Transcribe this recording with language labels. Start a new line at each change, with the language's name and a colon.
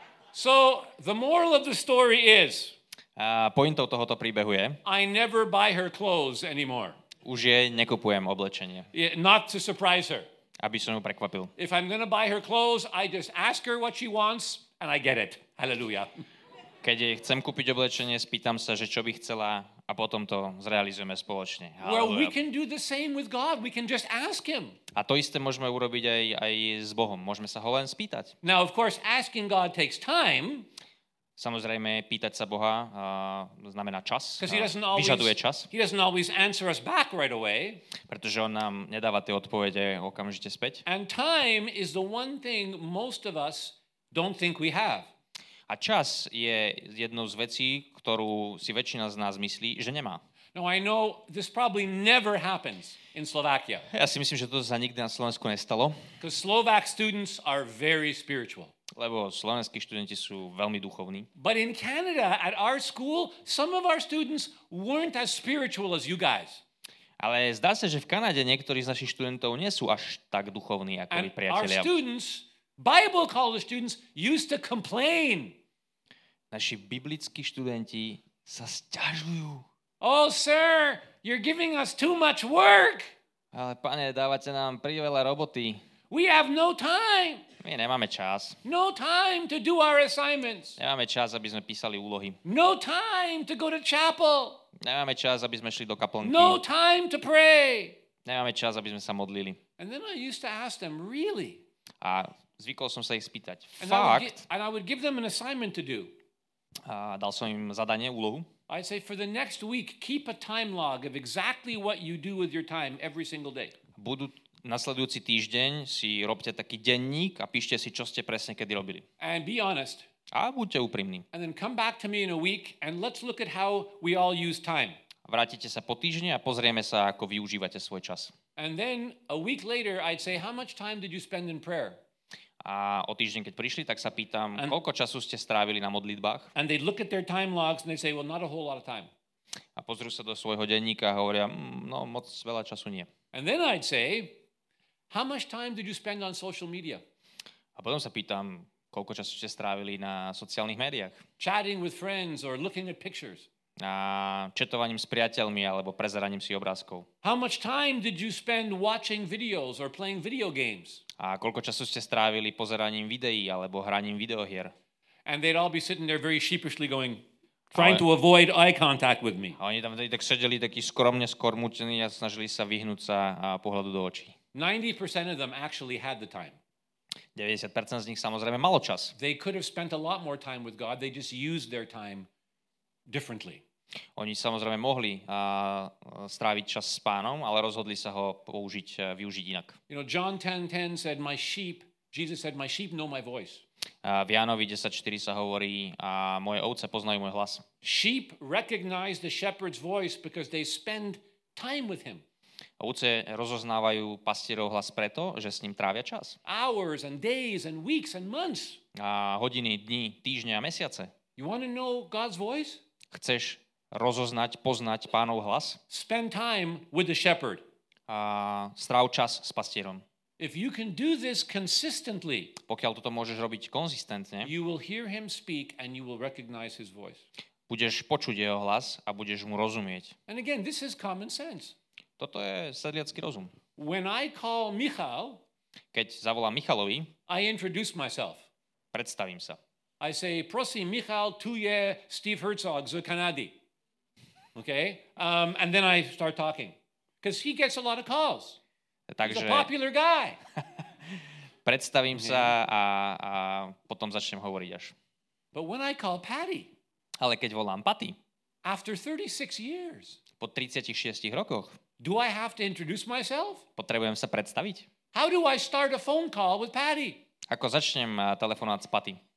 English: So, the moral of the story is,
Slovak: a pointou tohoto príbehu je,
English: I never buy her clothes anymore.
Slovak: Už jej nekupujem oblečenie.
English: Not to surprise her.
Slovak: Aby som ju prekvapil.
English: If I'm going to buy her clothes, I just ask her what she wants and I get it. Hallelujah.
Slovak: Keď jej chcem kúpiť oblečenie, spýtam sa, že čo by chcela a potom to zrealizujeme spoločne. Hallelujah.
English: Well, we can do the same with God. We can just ask him.
Slovak: A to isté môžeme urobiť aj s Bohom. Môžeme sa ho len spýtať.
English: Now, of course, asking God takes time.
Slovak: Samozrejme, pýtať sa Boha znamená čas. Vyžaduje čas.
English: He doesn't always answer us back right away.
Slovak: Pretože on nám nedáva tie odpovede okamžite späť.
English: And time is the one thing most of us don't think we have.
Slovak: A čas je jednou z vecí, ktorú si väčšina z nás myslí, že nemá.
English: Now I know this probably never happens in Slovakia.
Slovak: Ja si myslím, že to sa nikdy na Slovensku nestalo.
English: Because Slovak students are very spiritual.
Slovak: Lebo slovenskí študenti sú veľmi duchovní.
English: But in Canada at our school some of our students weren't as spiritual as you guys.
Slovak: Ale zdá sa, že v Kanade niektorí z našich študentov nie sú až tak duchovní ako
English: and
Slovak: vy, priatelia.
English: Our students, Bible college students used to complain.
Slovak: Naši biblickí študenti sa sťažujú.
English: Oh sir, you're giving us too much work.
Slovak: Ale pane, dávate nám priveľa roboty.
English: We have no time.
Slovak: My nemáme čas.
English: No time to do our assignments.
Slovak: Nemáme čas, aby sme písali úlohy.
English: No time to go to chapel.
Slovak: Nemáme čas, aby sme šli do kaplnky.
English: No time to pray.
Slovak: Nemáme čas, aby sme sa modlili.
English: And then I used to ask them, really?
Slovak: A zvykol som sa ich spýtať.
English: And
Slovak: fakt?
English: And I would give them an assignment to do.
Slovak: A dal som im zadanie, úlohu.
English: I'd say, for the next week, keep a time log of exactly what you do with your time every single day.
Slovak: Budú nasledujúci týždeň si robte taký denník a píšte si, čo ste presne kedy robili.
English: And be honest.
Slovak: A buďte úprimní.
English: And then come back to me in a week and let's look at how we all use time.
Slovak: Vrátite sa po týždni a pozrieme sa, ako využívate svoj čas.
English: And then a week later I'd say, how much time did you spend in prayer?
Slovak: A o týždeň, keď prišli, tak sa pýtam, koľko času ste strávili na modlitbách?
English: And they look at their time logs and they say, well, not a whole lot of time.
Slovak: A pozrú sa do svojho denníka a hovoria, no, moc veľa času nie.
English: And then I'd say, how much time did you spend on social media?
Slovak: A potom sa pýtam, koľko času ste strávili na sociálnych médiách?
English: Chatting with friends or looking at pictures.
Slovak: A chatovaním s priateľmi alebo prezeraním si obrázkov.
English: How much time did you spend watching videos or playing video games?
Slovak: A koľko času ste strávili pozeraním videí alebo hraním videohier?
English: And they'd all be sitting there very sheepishly going, trying to avoid eye contact with me.
Slovak: A oni tam tak sedeli takí skromne skormútení a snažili sa vyhnúť sa pohľadu do očí.
English: 90% of them actually had the time.
Slovak: 90% z nich samozrejme malo čas.
English: They could have spent a lot more time with God. They just used their time differently.
Slovak: Oni samozrejme mohli stráviť čas s Pánom, ale rozhodli sa ho použiť využiť inak.
English: You know, John 10:10 said, "My sheep," Jesus said, "My sheep know my voice."
Slovak: V Jánovi 10:4 sa hovorí, "A moje ovce poznajú môj hlas."
English: Sheep recognize the shepherd's voice because they spend time with him.
Slovak: Ovce rozoznávajú pastierov hlas preto, že s ním trávia čas.
English: Hours and days and weeks and months.
Slovak: A hodiny, dni, týždne a mesiace.
English: You want to know God's voice?
Slovak: Chceš rozoznať, poznať Pánov hlas?
English: Spend time with the shepherd.
Slovak: stráv čas s pastierom.
English: If you can do this consistently,
Slovak: pokiaľ toto môžeš robiť konzistentne,
English: you will hear him speak and you will recognize his voice.
Slovak: Budeš počuť jeho hlas a budeš mu rozumieť.
English: And again, this is common sense.
Slovak: Toto je sedliacky rozum.
English: When I call Michal,
Slovak: keď zavolám Michalovi,
English: I introduce myself.
Slovak: Predstavím sa.
English: I say,
Slovak: prosím, Michal, tu je Steve Herzog z Kanady.
English: Okay? And then I start talking. Because he gets a lot of calls.
Slovak: Takže,
English: he's a popular guy.
Slovak: Predstavím sa a potom začnem hovoriť až.
English: But when I call Patty,
Slovak: ale keď volám Patty,
English: after 36 years,
Slovak: po 36 rokoch,
English: do I have to introduce myself?
Slovak: Potrebujem sa predstaviť.
English: How do I start a phone call with Patty?
Slovak: Ako začnem telefonovať s Patty?